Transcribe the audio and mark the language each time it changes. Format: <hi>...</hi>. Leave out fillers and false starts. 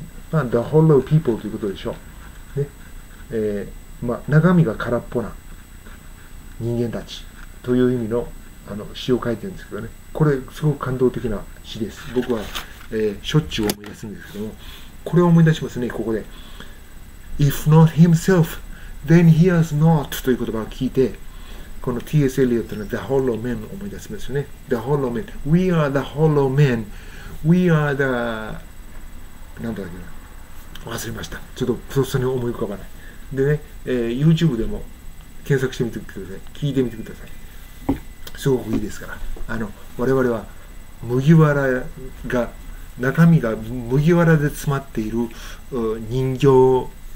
<ja>まあ、</ja> <en>the hollow people</en> <ja>ということでしょう。ね、まあ、中身が空っぽな人間たちという意味の、詩を書いてるんですけどね。これすごく感動的な詩です。僕は、しょっちゅう思い出すんですけども。これを思い出しますね、ここで。</ja> <en>If not himself, then he has not</en> <ja>という言葉を聞いて、この T.S. エリオットの The Hollow Man を思い出しますよね。</ja> <en>The Hollow Man。 We are the Hollow Man。 We are the…</en> <ja>何だっけな。忘れました。ちょっとそっさに思い浮かばない。でね、YouTube でも検索してみてください。聞いてみてください。すごくいいですから。我々は麦わらが、中身が麦わらで詰まっている人形</ja>